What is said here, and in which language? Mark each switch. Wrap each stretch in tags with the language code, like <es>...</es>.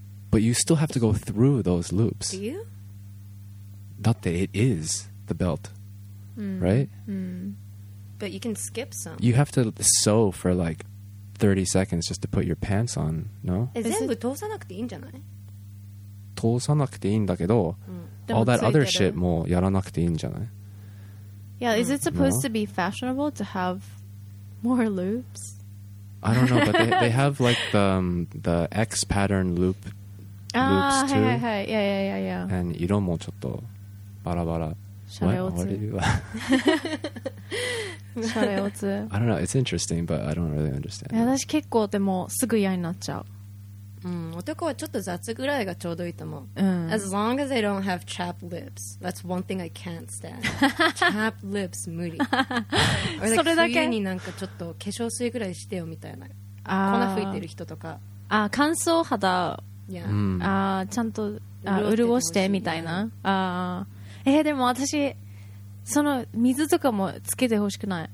<en>but you still have to go through those loops do you?</en> <ja>だって</ja> <en>it is the belt、 mm. right? Mm. but you can skip some you have to sew for like 30 seconds just to put your pants on no?</en> <ja>全部通さなくていいんじゃない通さなくていいんだけど、mm.</ja> <en>all that other shit</en> <ja>もやらなくていいんじゃない</ja> <en>yeah is it supposed、no? to be fashionable to have more loops I don't know, but they have like the X pattern loop loops too. Ah, hey, hey, hey, yeah.</en> <ja>And 色もちょっとバラバラ。シャレオツ。シャレオツ。</ja> <en>I don't know. It's interesting, but I don't really understand.</en> <ja>いや、私結構でもすぐ嫌になっちゃう。うん、男はちょっと雑ぐらいがちょうどいいと思う。うん。</ja> <en>As long as they don't have chapped lips, that's one thing I can't stand. chapped lips</en> <ja>無理。それだけ。冬になんかちょっと化粧水ぐらいしてよみたいな。ああ。粉吹いてる人とか。ああ、乾燥肌。</ja> <en>Yeah.</en> <ja>うん、ああ、ちゃんと潤してみたいな。ああ。でも私、その水とかもつけてほしくない。</ja>